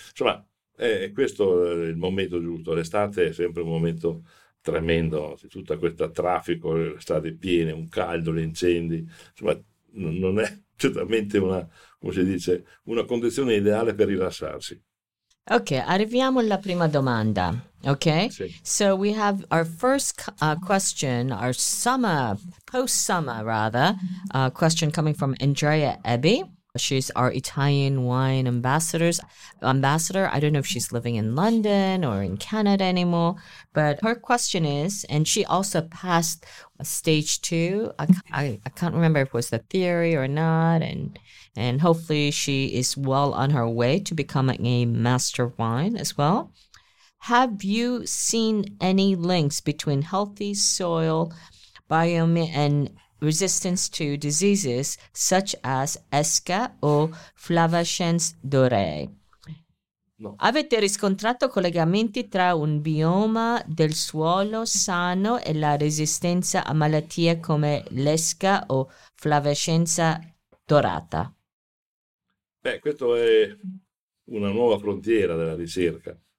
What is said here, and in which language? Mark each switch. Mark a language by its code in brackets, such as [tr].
[it] Insomma, è questo il momento giusto. L'estate è sempre un momento tremendo, tutto questo traffico, le strade piene, un caldo, gli incendi, insomma non è certamente una, come si dice, una condizione ideale per rilassarsi. Ok, arriviamo alla prima domanda, ok? Sì. [en] So we have our first question, our summer, post-summer rather, question coming from Andrea Ebby. She's our Italian wine ambassador. I don't know if she's living in London or in Canada anymore, but her question is, and she also passed stage two. I can't remember if it was the theory or not, and hopefully she is well on her way to becoming a master of wine as well. Have you seen any links between healthy soil biome and resistance to diseases such as esca o flavescens dorei? No. [it] Avete riscontrato collegamenti tra un bioma del suolo sano e la resistenza a malattie come l'esca o flavescenza dorata? Beh, questo è una nuova frontiera della ricerca.